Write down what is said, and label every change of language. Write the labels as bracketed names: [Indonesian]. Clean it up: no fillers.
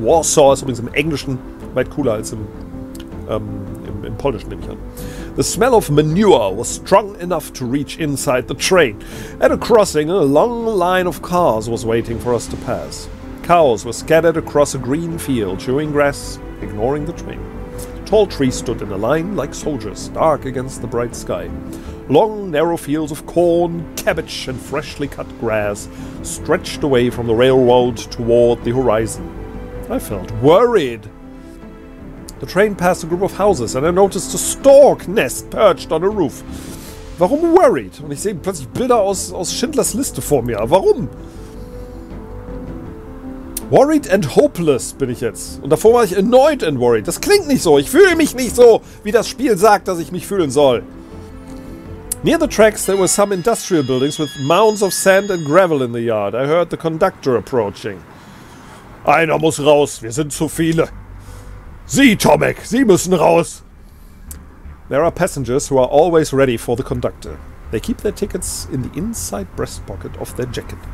[German] Warsaw ist übrigens im Englischen weit cooler als im Polnischen, nehme ich an. [English] The smell of manure was strong enough to reach inside the train. At a crossing, a long line of cars was waiting for us to pass. Cows were scattered across a green field, chewing grass, ignoring the train. Tall trees stood in a line like soldiers, dark against the bright sky. Long, narrow fields of corn, cabbage, and freshly cut grass stretched away from the railroad toward the horizon. I felt worried. The train passed a group of houses, and I noticed a stork nest perched on a roof. [German] Warum worried? Und ich sehe plötzlich Bilder aus Schindlers Liste vor mir. Warum? [English] Worried and hopeless [German] bin ich jetzt. Und davor war ich [English] annoyed and worried. [German] Das klingt nicht so. Ich fühle mich nicht so, wie das Spiel sagt, dass ich mich fühlen soll. [English] Near the tracks, there were some industrial buildings with mounds of sand and gravel in the yard. I heard the conductor approaching. [German] Einer muss raus. Wir sind zu viele. Sie, Tomek, Sie müssen raus. [English] There are passengers who are always ready for the conductor. They keep their tickets in the inside breast pocket of their jacket.